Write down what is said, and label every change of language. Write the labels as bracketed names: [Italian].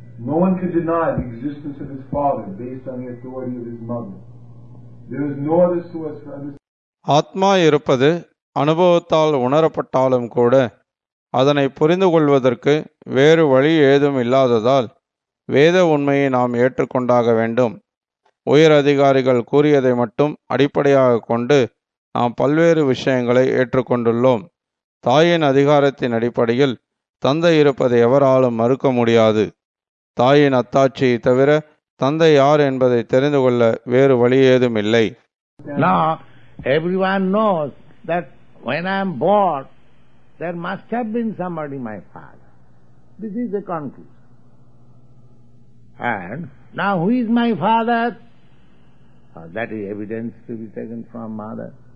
[English] No one could deny the existence of his father based on the authority of his mother. There is no other source for understanding. [Tamil] ஆத்மா இருப்பது அனுபவத்தால் உணரப்பட்டாலும் கூட அதனை புரிந்து கொள்வதற்கு வேறு வழி ஏதும் இல்லாததால் வேத உண்மையை நாம் ஏற்றுக்கொண்டாக வேண்டும். உயர் அதிகாரிகள் கூறியதை மட்டும் அடிப்படையாக கொண்டு நாம் பல்வேறு விஷயங்களை ஏற்றுக்கொண்டுள்ளோம். தாயின் அதிகாரத்தின் அடிப்படையில் தந்தை இருப்பதை எவராலும் மறுக்க முடியாது. தாயின் அத்தாட்சியை தவிர தந்தை யார் என்பதை தெரிந்து கொள்ள வேறு வழி ஏதும் இல்லை. [English] Now everyone knows that when I am born, there must have been somebody my father. This is the conclusion. And now who is my father? That is evidence to be taken from mother.